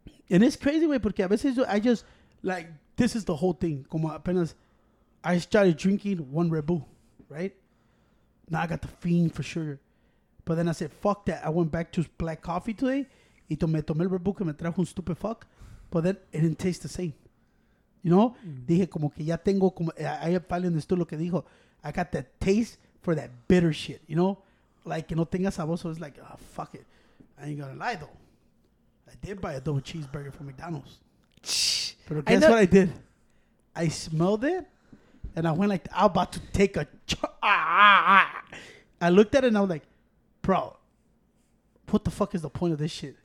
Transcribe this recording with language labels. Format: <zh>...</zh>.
<en>and it's crazy, way</en> <es>porque a veces</es> <en>I just, like, this is the whole thing.</en> <es>Como apenas,</es> <en>I started drinking one Red Bull, right? Now I got the fiend for sugar. But then I said, fuck that. I went back to black coffee today.</en> <es>Y tomé, tomé el Red Bull que me trajo un</es> <en>stupid fuck. But then it didn't taste the same. You know? Mm-hmm.</en> <es>Dije, como que ya tengo, como,</es> <en>I finally understood</en> <es>lo que dijo.</es> <en>I got that taste for that bitter shit, you know? Like,</en> <es>que no tenga sabor.</es> <en>So it's like, oh, fuck it. I ain't gonna lie, though. I did buy a double cheeseburger from McDonald's. But guess what I did? I smelled it, and I went like, I'm about to take a I looked at it, and I was like, bro, what the fuck is the point of this shit?</en>